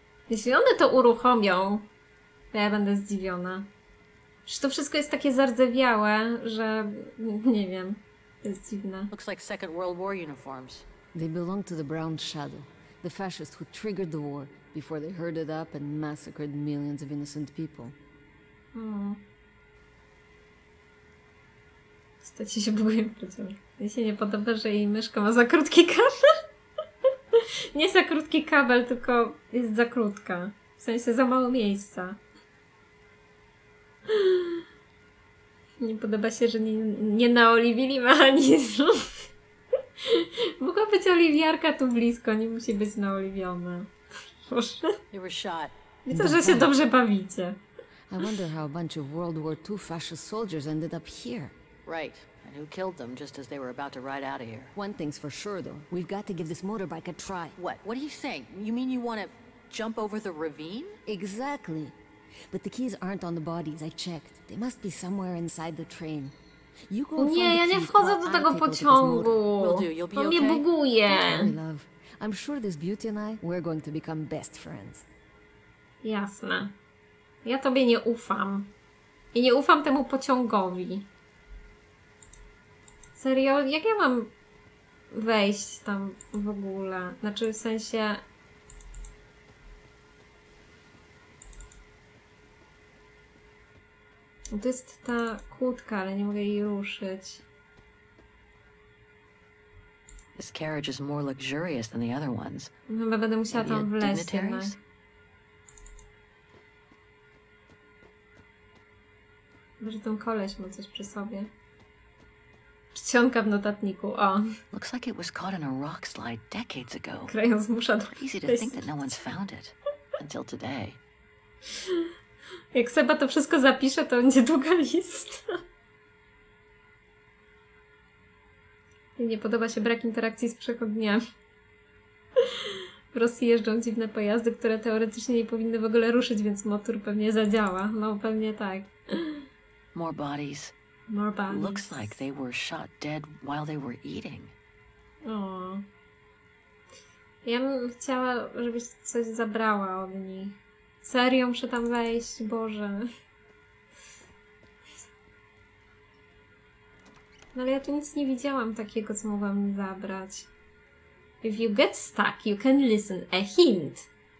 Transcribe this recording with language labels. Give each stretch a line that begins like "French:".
Polish: Jeśli one to uruchomią, to ja będę zdziwiona. Czy to wszystko jest takie zardzewiałe, że... nie wiem. To jest dziwne.
English: Looks like Second World War uniforms. They belong to the Brown Shadow. The fascists who triggered the war before they herded up and massacred millions of innocent people.
Polish: Stacie się boję, mi się nie podoba, że jej myszka ma za krótki kabel. Nie za krótki kabel, tylko jest za krótka. W sensie za mało miejsca. Nie podoba się, że nie naoliwili mechanizmu. Mogła być oliwiarka tu blisko, nie musi być naoliwiona. Proszę. Widzę, że się dobrze bawicie.
English: I wonder how a bunch of World War II fascist soldiers ended up here. Right, and who killed them just as they were about to ride out of here. One thing's for sure though, we've got to give this motorbike a try. What? What are you saying? You mean you want to jump over the ravine? Exactly. But the keys aren't on the bodies, I checked. They must be somewhere inside the train. You go
Polish: nie, ja nie wchodzę do tego pociągu. On mnie buguje.
English: I'm sure this beauty and I, we're going to become best friends.
Polish: Jasne. Ja tobie nie ufam. I nie ufam temu pociągowi. Serio, jak ja mam wejść tam w ogóle? Znaczy w sensie... To jest ta kłódka, ale nie mogę jej ruszyć.
English: This carriage is more luxurious than the other ones.
Polish: Chyba będę musiała tam wleźć. Może ten koleś ma coś przy sobie. Czcionka w notatniku, o.
English: Looks like it was caught in a rock slide decades ago. Krając musza do crazy to think that no one's found it until today.
Polish: Jak Seba to wszystko zapisze, to będzie długa lista. Nie podoba się brak interakcji z przechodniami. W Rosji jeżdżą dziwne pojazdy, które teoretycznie nie powinny w ogóle ruszyć, więc motor pewnie zadziała. No, pewnie tak.
English: More bodies. More bodies. Looks like they were shot dead while they were eating. O.
Polish: Ja bym chciała, żebyś coś zabrała od nich. Serio, muszę tam wejść, Boże. No ale ja tu nic nie widziałam takiego, co mogłam zabrać.
English: If you get stuck, you can listen. A hint.